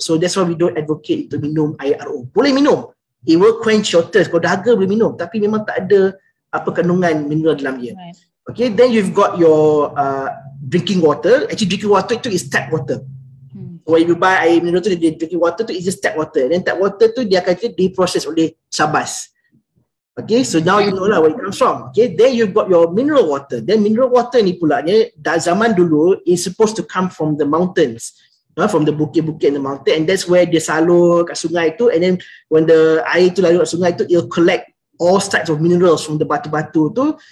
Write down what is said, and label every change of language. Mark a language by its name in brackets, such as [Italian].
[English] So that's why we don't advocate to [Malay] minum air RO. Boleh minum, [English] it will quench your thirst. [Malay] Kalau dahaga boleh minum, tapi memang tak ada apa kandungan mineral dalam dia. Right. [English] Okay, then you've got your drinking water. Actually drinking water itu is tap water. When you buy air mineral tu, dia drinking water tu is just tap water. Then tap water [Malay] tu dia akan diproses oleh sabas. [English] Okay, so now you know lah where it comes from. Okay, then you've got your mineral water. Then mineral water ni pula ni, [Malay] dah zaman dulu, [English] is supposed to come from the mountains. From the bukit-bukit in the mountain. And that's where [Malay] dia salur kat sungai tu. [English] And then when the [Malay] air tu lalu kat sungai tu, [English] it'll collect all types of minerals from the [Malay] batu-batu tu.